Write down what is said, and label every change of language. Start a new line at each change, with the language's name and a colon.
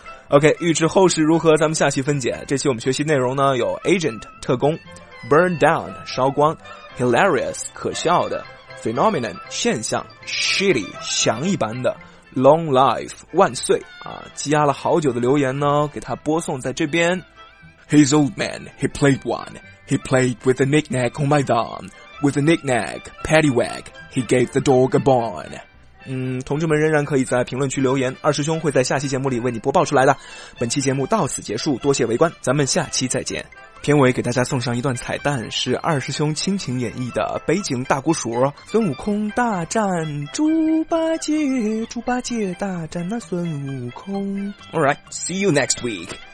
Chinese: OK, 预知后事如何，咱们下期分解。这期我们学习内容呢，有 Agent, 特工，Burn down, 烧光 ,hilarious, 可笑的 ,phenomenon, 现象 ,shitty, 翔一般的 ,long life, 万岁啊，积压了好久的留言呢给他播送在这边。
English: His old man, he played one, he played with a knick-knack on my thumb, with a knick-knack, paddywhack, he gave the dog a bone.
Chinese: 嗯，同志们仍然可以在评论区留言，二师兄会在下期节目里为你播报出来的。本期节目到此结束，多谢围观，咱们下期再见。片尾给大家送上一段彩蛋，是二师兄亲情演绎的北景大姑鼠孙悟空大战猪八戒，猪八戒大战那孙悟空。
English: Alright, see you next week.